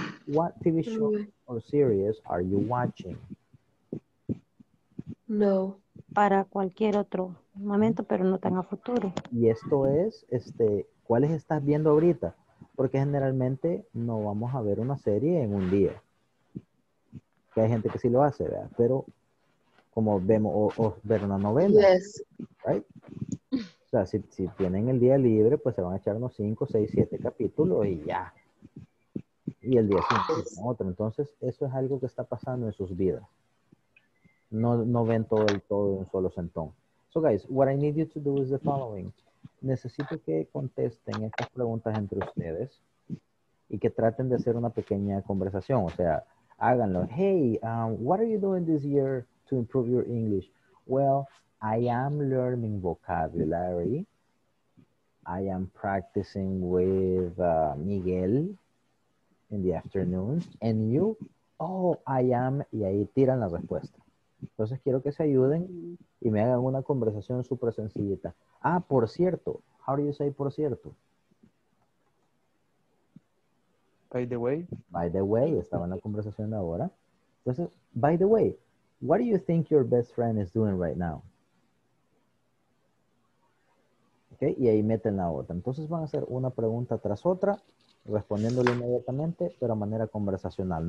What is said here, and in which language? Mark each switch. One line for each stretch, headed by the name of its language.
English: What TV show or series are you watching?
Spanish: No, para cualquier otro momento, pero no tan a futuro. Y esto es, ¿cuáles estás viendo ahorita? Porque generalmente no vamos a ver una serie en un día. Que hay gente que sí lo hace, ¿verdad? Pero como vemos, o ver una novela.
English: Yes. Right?
Spanish: O sea, si tienen el día libre, pues se van a echar unos 5, 6, 7 capítulos y ya. Y el día siguiente es otro. Entonces, eso es algo que está pasando en sus vidas. No ven todo en un solo sentón.
English: So guys, what I need you to do is the following.
Spanish: Necesito que contesten estas preguntas entre ustedes. y que traten de hacer una pequeña conversación. O sea, háganlo.
English: Hey, what are you doing this year to improve your English? Well, I am learning vocabulary. I am practicing with Miguel in the afternoon. And you? Oh, I am.
Spanish: Y ahí tiran la respuesta. Entonces quiero que se ayuden y me hagan una conversación súper sencillita. Ah, por cierto.
English: How do you say por cierto? By the way. By the way.
Spanish: Estaba en la conversación de ahora.
English: Entonces, by the way, what do you think your best friend is doing right now?
Spanish: Okay, y ahí meten la otra. Entonces van a hacer una pregunta tras otra, respondiéndole inmediatamente, pero a manera conversacional.